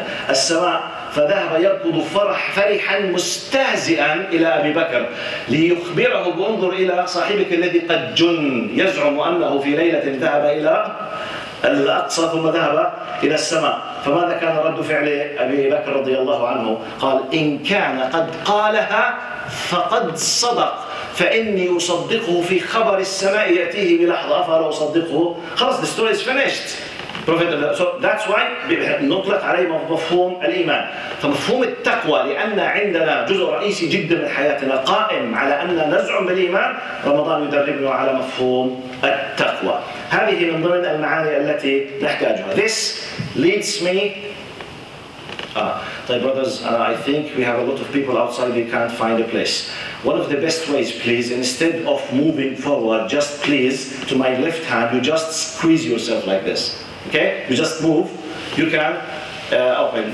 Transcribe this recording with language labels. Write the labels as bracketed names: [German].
[Arabic] السماء، فذهب يركض فرحا مستهزئا إلى أبي بكر ليخبره بانظر إلى صاحبك الذي قد جن، يزعم أنه في ليلة ذهب إلى الأقصى ثم ذهب إلى السماء. فماذا كان رد فعل أبي بكر رضي الله عنه؟ قال: إن كان قد قالها فقد صدق، فإني أصدقه في خبر السماء يأتيه بلحظة. فهل أصدقه؟ خلاص، [English] the story is finished. So that's why نطلق عليه مفهوم الإيمان. [Arabic] فمفهوم التقوى، لأن عندنا جزء رئيسي جدا من حياتنا قائم على أن نزعم بالإيمان، رمضان يدربنا على مفهوم التقوى. هذه من ضمن المعاني التي نحتاجها. [English] This leads me. [Arabic] طيب [English] brothers, I think we have a lot of people outside, we can't find a place. One of the best ways, please, instead of moving forward, just please, to my left hand, you just squeeze yourself like this. Okay, you just move. You can open.